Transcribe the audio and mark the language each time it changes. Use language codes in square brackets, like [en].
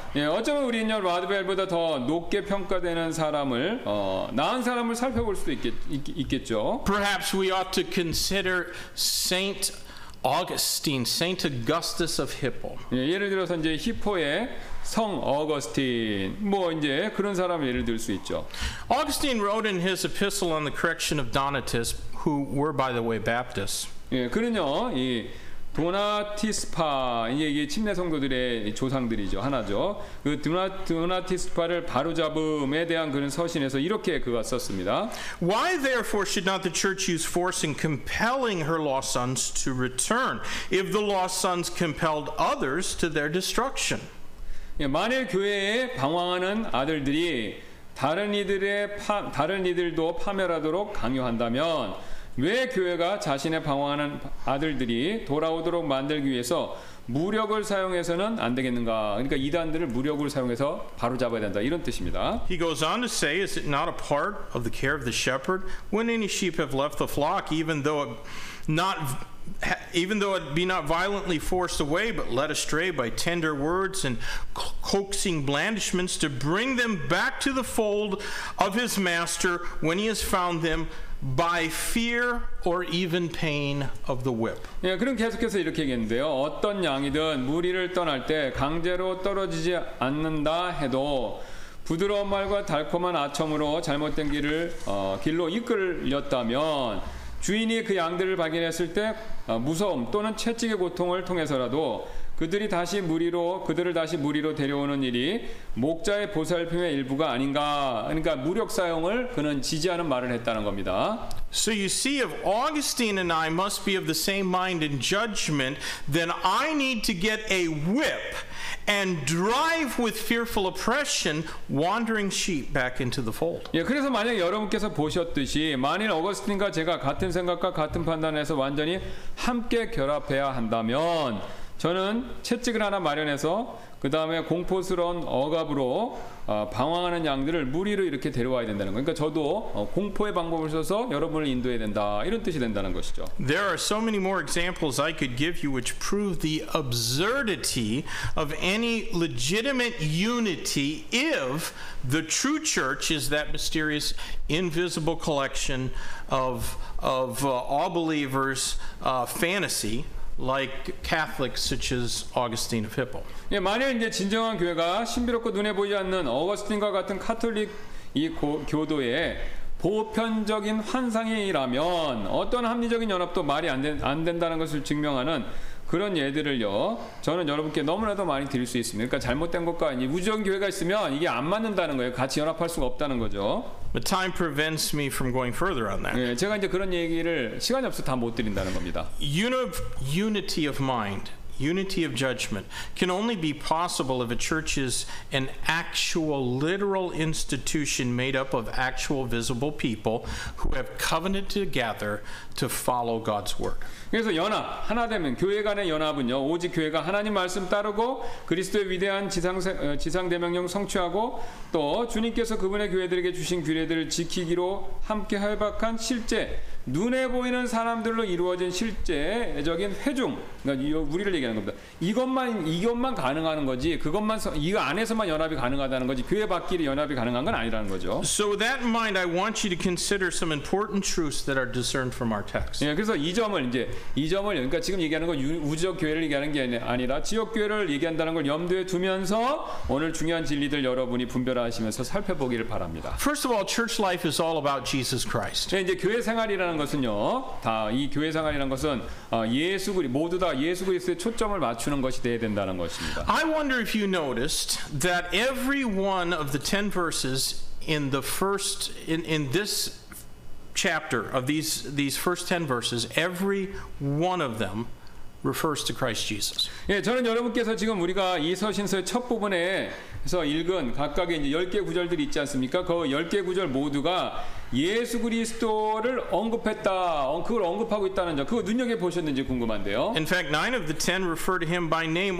[ko] 예, 어쩌면 우리는요, 라드벨보다 더 높게 평가되는 사람을 나은 사람을 살펴볼 수도 있겠죠. [en] Perhaps we ought to consider Saint Augustine, Saint Augustus of Hippo. [ko] 예, 예를 들어서 이제 히포의 성 어거스틴, 뭐 이제 그런 사람 예를 들 수 있죠. [en] Augustine wrote in his epistle on the correction of Donatists, who were, by the way, Baptists. [ko] 예, 그는요, 이 도나티스파, 이게 침례 성도들의 조상들이죠, 하나죠. 그 도나티스파를 바로잡음에 대한 그런 서신에서 이렇게 그가 썼습니다. [en] Why therefore should not the church use force in compelling her lost sons to return, if the lost sons compelled others to their destruction? [ko] 예, 만일 교회에 방황하는 아들들이 다른 이들도 파멸하도록 강요한다면 왜 교회가 자신의 방황하는 아들들이 돌아오도록 만들기 위해서 무력을 사용해서는 안 되겠는가? 그러니까 이단들을 무력을 사용해서 바로 잡아야 된다. 이런 뜻입니다. [en] He goes on to say, is it not a part of the care of the shepherd when any sheep have left the flock, even though it be not violently forced away, but led astray by tender words and coaxing blandishments to bring them back to the fold of his master when he has found them by fear or even pain of the whip. [ko] 예, 그럼 계속해서 이렇게 얘기했는데요. 어떤 양이든 무리를 떠날 때 강제로 떨어지지 않는다 해도 부드러운 말과 달콤한 아첨으로 잘못된 길을 길로 이끌렸다면 주인이 그 양들을 발견했을 때 무서움 또는 채찍의 고통을 통해서라도 그들이 다시 무리로 그들을 다시 무리로 데려오는 일이 목자의 보살핌의 일부가 아닌가. 그러니까 무력 사용을 그는 지지하는 말을 했다는 겁니다. [en] So you see, if Augustine and I must be of the same mind in judgment, then I need to get a whip and drive with fearful oppression wandering sheep back into the fold. [ko] 예, 그래서 만약 여러분께서 보셨듯이 만일 어거스틴과 제가 같은 생각과 같은 판단에서 완전히 함께 결합해야 한다면 저는 채찍을 하나 마련해서 그 다음에 공포스러운 억압으로 방황하는 양들을 무리로 이렇게 데려와야 된다는 거예요. 그러니까 저도 공포의 방법을 써서 여러분을 인도해야 된다 이런 뜻이 된다는 것이죠. [en] There are so many more examples I could give you which prove the absurdity of any legitimate unity if the true church is that mysterious invisible collection of all believers fantasy. Like Catholics such as Augustine of Hippo. [ko] 예, 만약 이제 진정한 교회가 신비롭고 눈에 보이지 않는 어거스틴과 같은 카톨릭 이 교도의 보편적인 환상이라면 어떤 합리적인 연합도 말이 안 된다는 것을 증명하는 그런 예들을요 저는 여러분께 너무나도 많이 드릴 수 있습니다. 그러니까 잘못된 것과 아니 우주적인 교회가 있으면 이게 안 맞는다는 거예요. 같이 연합할 수가 없다는 거죠. [en] But time prevents me from going further on that. [ko] 예, 제가 이제 그런 얘기를 시간이 없어 다 못 드린다는 겁니다. [en] Unity of mind, unity of judgment can only be possible if a church is an actual literal institution made up of actual visible people who have covenanted together to follow God's work. [ko] 그래서 연합 하나 되면 교회 간의 연합은요 오직 교회가 하나님 말씀 따르고 그리스도의 위대한 지상 대명령 성취하고 또 주님께서 그분의 교회들에게 주신 규례들을 지키기로 함께 협약한 실제 눈에 보이는 사람들로 이루어진 실제적인 회중 그러니까 우리를 얘기하는 겁니다. 이것만 가능하는 거지 그것만 이 안에서만 연합이 가능하다는 거지 교회 밖끼리 연합이 가능한 건 아니라는 거죠. [en] So with that in mind, I want you to consider some important truths that are discerned from our text. [ko] 예, 그래서 이 점을 그러니까 지금 얘기하는 건 우주적 교회를 얘기하는 게 아니라 지역 교회를 얘기한다는 걸 염두에 두면서 오늘 중요한 진리들 여러분이 분별하시면서 살펴보기를 바랍니다. [en] First of all, church life is all about Jesus Christ. [ko] 예, 이제 교회 생활이라는 것은요, 다 이 교회 생활이라는 것은 예수 그리 모두 다 예수 그리스도의 초점을 맞추는 것이 되어야 된다는 것입니다. [en] I wonder if you noticed that every one of the 10 verses in the first in this chapter of these first 10 verses, every one of them refers to Christ Jesus. [ko] 예, 저는 여러분께서 지금 우리가 이 서신서의 첫 부분에서 읽은 각각의 이제 10개 구절들이 있지 않습니까? 그 10개 구절 모두가 예수 그리스도를 언급했다. 그걸 언급하고 있다는 점. 그거 눈여겨 보셨는지 궁금한데요. [en] In fact, 9 of the 10 refer to him by name.